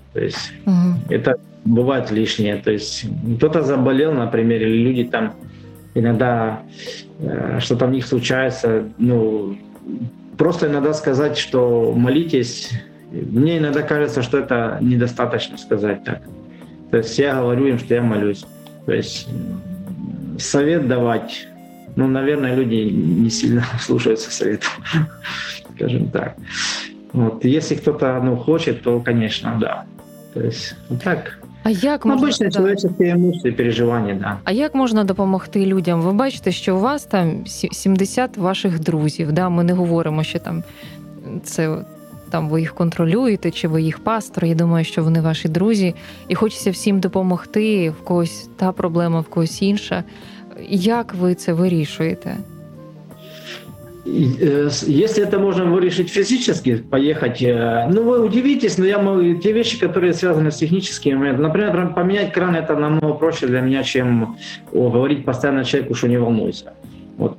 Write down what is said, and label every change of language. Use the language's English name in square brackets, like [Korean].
[Russian] То есть это бывает лишнее. То есть кто-то заболел, например, или люди там иногда что-то в них случается, ну, просто иногда сказать, что молитесь, мне иногда кажется, что это недостаточно сказать так. То есть я говорю им, что я молюсь. То есть совет давать, ну, наверное, люди не сильно слушаются совета, скажем так. Вот, если кто-то, ну, хочет, то, конечно, да. То есть вот так. [Ukrainian] А як [Russian] обычно [Ukrainian] можна, человеческие емоції, переживання, да. А як можна допомогти людям? Ви бачите, що у вас там 70 ваших друзів, да? Ми не говоримо, що там це там ви їх контролюєте, чи ви їх пастор. Я думаю, що вони ваші друзі, і хочеться всім допомогти, в когось та проблема, в когось інша. Як ви це вирішуєте? [Russian] Если это можно вырешить физически, поехать, ну вы удивитесь, но я могу, те вещи, которые связаны с техническими моментами, например, поменять кран, это намного проще для меня, чем говорить постоянно человеку, что не волнуйся. Вот.